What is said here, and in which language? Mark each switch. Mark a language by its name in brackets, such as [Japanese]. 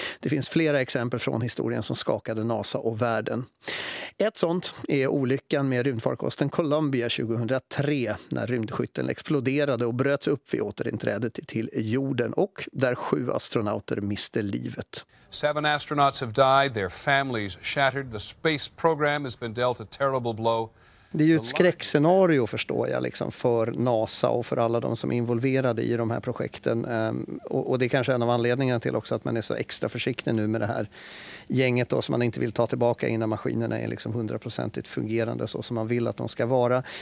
[Swedish] Det finns flera exempel från historien som skakade NASA och världen. Ett sånt är olyckan med rymdfarkosten Columbia 2003 när rymdskytten exploderade och bröts upp vid återinträdet till jorden och där 7 astronauter miste livet. [English] 7 astronauts have died, their families shattered. The space program has been dealt a terrible blow. [Swedish] Det är ju ett skräckscenario, förstår jag, liksom, för NASA och för alla de som är involverade i de här projekten. Och det är kanske en av anledningarna till också att man är så extra försiktig nu med det här gänget då, som man inte vill ta tillbaka innan maskinerna är liksom 100% fungerande så som man vill att de ska vara.